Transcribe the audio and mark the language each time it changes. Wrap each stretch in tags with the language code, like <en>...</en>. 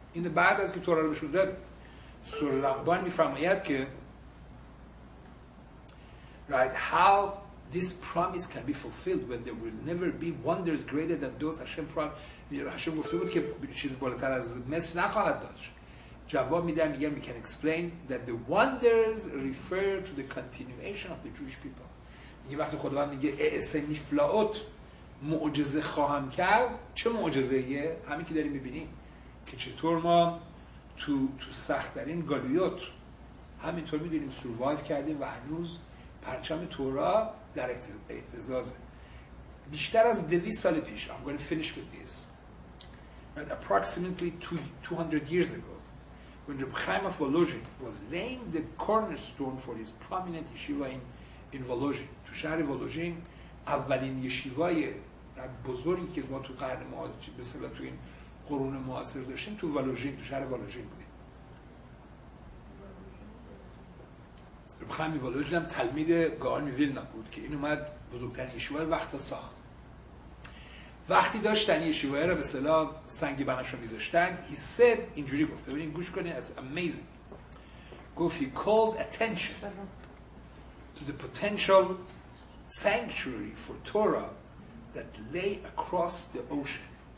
<fa>این بعد از که تورا رو بهشون داد سلمبان میفرماید که رایت هاو</fa> <en>this promise can be fulfilled when there will never be wonders greater than those Hashem promised.</en> <fa>Hashem گفته بود که چیز بالاتر از مصر نخواهد داشت. جواب میده میگه</fa> <en>we can explain that the wonders refer to the continuation of the Jewish people.</en> <fa>یه وقت خداوند میگه اسن فلاوت معجزه خواهم کرد، چه معجزه ایه؟ همین که داریم میبینیم که چطور ما تو سخت ترین گالیوت همینطور میدونیم سروایو کردیم و هنوز پرچم تورا در اهتزاز. بیشتر از 200 سال پیش،</fa> <en>I'm going to finish with this, but approximately 200 years ago when Reb Chaim of Volozhin was laying the cornerstone for his prominent yeshiva in Volozhin.</en> <fa>تو شهر ولوژین اولین یشیوای بزرگی که ما تو قرن معاصر، به اصطلاح تو این قرون معاصر داشتیم، تو ولوژین، تو شهر ولوژین بود. رب خیمی ولوژین هم تلمید گاون ویلنا بود که این اومد بزرگترین یشیوه رو وقتا ساخت. وقتی داشتن یشیوه رو به اصطلاح سنگ بناش رو میذاشتن،</fa> <en>he said</en> <fa>اینجوری گفت، ببینید گوش کنید،</fa> <en>it's amazing.</en> <fa>گفت</fa> <en>he called attention to the potential sanctuary for Torah that lay across the ocean.</en>